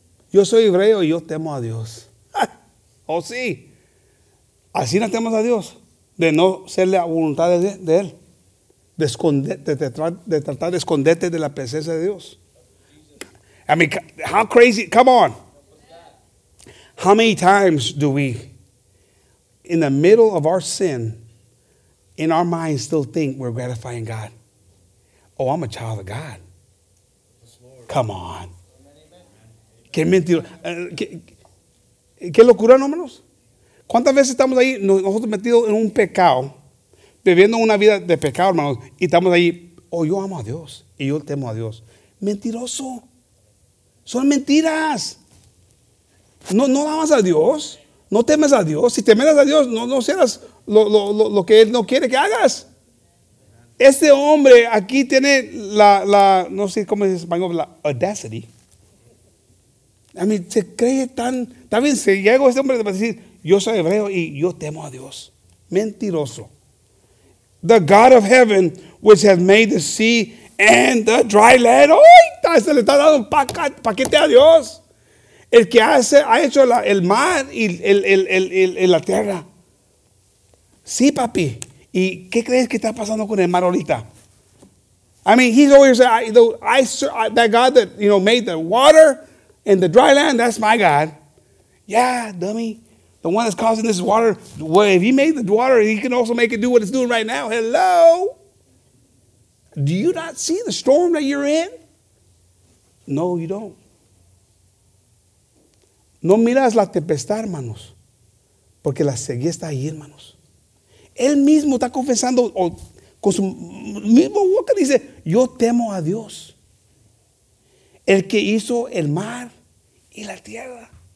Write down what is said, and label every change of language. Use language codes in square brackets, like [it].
[es] Yo soy hebreo y yo temo a Dios. Oh, sí. Así no temo a Dios. De no ser la voluntad de Él. De esconderte, de tratar de esconderte de la presencia de Dios. [en] I mean, how crazy, come on. How many times do we, in the middle of our sin, in our minds still think we're gratifying God? Oh, I'm a child of God. Come on. [es] Qué mentira. Qué locura, no menos. ¿Cuántas veces estamos ahí nosotros metidos en un pecado? Viviendo una vida de pecado, hermanos, y estamos ahí, oh, yo amo a Dios, y yo temo a Dios. Mentiroso. Son mentiras. No amas a Dios, no temes a Dios. Si temes a Dios, no serás lo que Él no quiere que hagas. Este hombre aquí tiene la no sé cómo es en español, la audacity. A mí se cree tan, está bien, si llego a este hombre, va a decir, yo soy hebreo y yo temo a Dios. Mentiroso. [en] The God of heaven, which has made the sea and the dry land. [es] ¡Oita! Se le está dando un paquete a Dios. El que hace, ha hecho el mar y la tierra. Sí, papi. ¿Y qué crees que está pasando con el mar ahorita? [en] I mean, he's always saying, that God that, you know, made the water and the dry land, that's my God. Yeah, dummy. The one that's causing this water, well, if he made the water, he can also make it do what it's doing right now. Hello? Do you not see the storm that you're in? No, you don't. [es] No miras la tempestad, hermanos, porque la sequía está ahí, hermanos. Él mismo está confesando, con su mismo boca dice, yo temo a Dios, el que hizo el mar y la tierra.